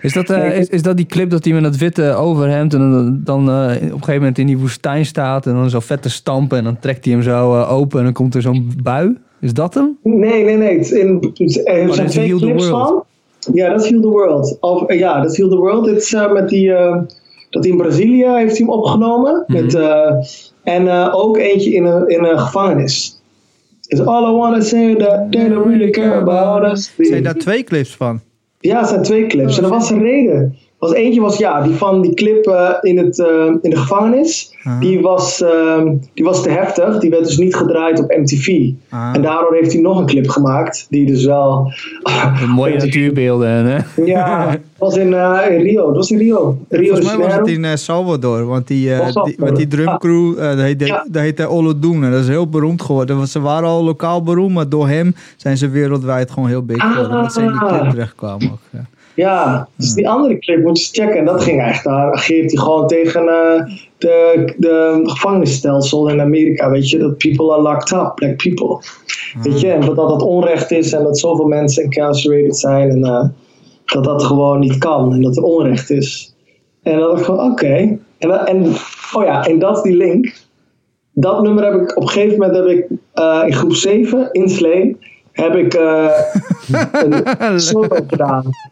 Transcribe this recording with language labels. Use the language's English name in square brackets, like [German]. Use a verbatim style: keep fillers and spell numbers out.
[Dutch] Is dat, uh, is, is dat die clip dat hij met dat witte overhemd en dan, dan uh, op een gegeven moment in die woestijn staat en dan zo vet te stampen en dan trekt hij hem zo uh, open en dan komt er zo'n bui? Is dat hem? Nee, nee, nee. In, er zijn twee clips van. Ja, dat is Heal the World. Of, uh, ja, dat is Heal the World. Het is uh, met die... Uh, dat hij in Brazilië heeft hij hem opgenomen. Mm-hmm. Met, uh, en uh, ook eentje in een, in een gevangenis. [English] Is all I wanna say that they don't really care about us. [Dutch] Zijn daar twee clips van? Ja, het zijn twee clips. En er was een reden. Was eentje was ja, die van die clip uh, in, het, uh, in de gevangenis. Ah. Die, was, uh, die was te heftig. Die werd dus niet gedraaid op M T V. Ah. En daardoor heeft hij nog een clip gemaakt. Die dus wel... mooie natuurbeelden, hè? Ja, dat was in, uh, in Rio. Dat was in Rio. Rio Volgens mij was het in uh, Salvador. Want die, uh, die, want die drumcrew, uh, dat heette ja. heet, uh, Olodum. En dat is heel beroemd geworden. Want ze waren al lokaal beroemd. Maar door hem zijn ze wereldwijd gewoon heel big geworden. Ah. Dat ze in die clip terechtkwamen ook, ja. Ja, dus die andere clip moet je checken. En dat ging echt, daar ageert hij gewoon tegen uh, de, de gevangenisstelsel in Amerika, weet je. [English] Dat people are locked up, black people. [Dutch] Ah. Weet je, en dat dat onrecht is en dat zoveel mensen incarcerated zijn. En uh, dat dat gewoon niet kan en dat er onrecht is. En dat ik gewoon, oké. Okay. En, en, oh ja, en dat is die link. Dat nummer heb ik, op een gegeven moment heb ik uh, in groep zeven, in Slee, heb ik uh, een solo gedaan.